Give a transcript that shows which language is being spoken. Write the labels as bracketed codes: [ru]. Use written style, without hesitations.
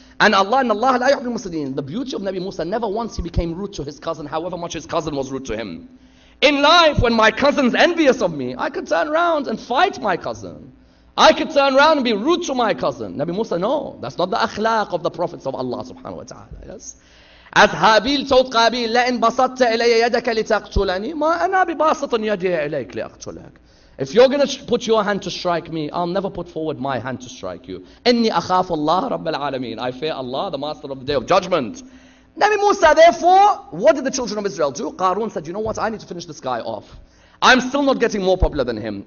[en] And Allah, [ar] inna Allah la yuhibbul mufsidin. [en] The beauty of Nabi Musa, never once he became rude to his cousin, however much his cousin was rude to him. In life, when my cousin's envious of me, I could turn around and fight my cousin. I could turn around and be rude to my cousin. Nabi Musa, no. That's not the akhlaq of the prophets of Allah subhanahu wa ta'ala. Yes. As Habil told Qabil, [ar] لَإِنْ بَسَطْتَ إِلَيَ يَدَكَ لِتَقْتُلَنِي مَا أَنَا بِبَاسَطٍ يَدِيَ إِلَيْكَ لِأَقْتُلَكَ. [en] If you're going to put your hand to strike me, I'll never put forward my hand to strike you. [ar] إِنِّي أَخَافُ اللَّهَ رَبَّ الْعَالَمِينَ. [en] I fear Allah, the master of the day of judgment. Nabi Musa, therefore, what did the children of Israel do? Qarun said, you know what? I need to finish this guy off. I'm still not getting more popular than him.